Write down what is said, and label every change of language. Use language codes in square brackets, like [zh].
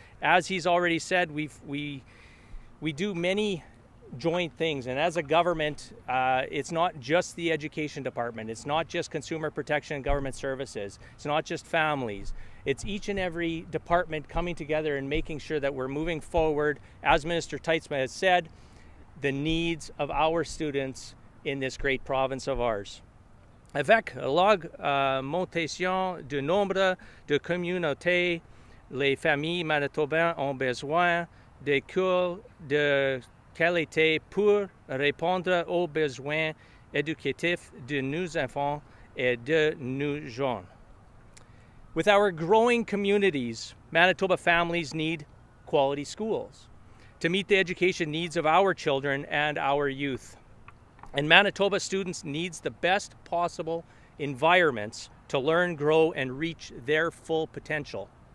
[en] As he's already said, we do many joint things, and as a government, it's not just the education department, it's not just consumer protection and government services, it's not just families. It's each and every department coming together and making sure that we're moving forward, as Minister Teitsma has said, the needs of our students in this great province of ours. [fr] Avec l'augmentation du nombre de communautés, les familles manitobaines ont besoin de cours de qualité pour répondre aux besoins éducatifs de nos enfants et de nos jeunes. [en] With our growing communities, Manitoba families need quality schools to meet the education needs of our children and our youth. And Manitoba students needs the best possible environments to learn, grow, and reach their full potential.